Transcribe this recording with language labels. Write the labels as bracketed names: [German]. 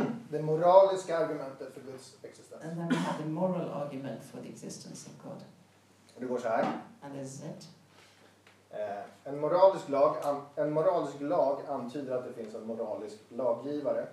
[Swedish] Det moraliska argumentet för Guds existens. [English] And then we have the moral argument for the existence of God. [Swedish] Och det går så här. [English] And this is it. [Swedish] En moralisk lag antyder att det finns en moralisk laggivare.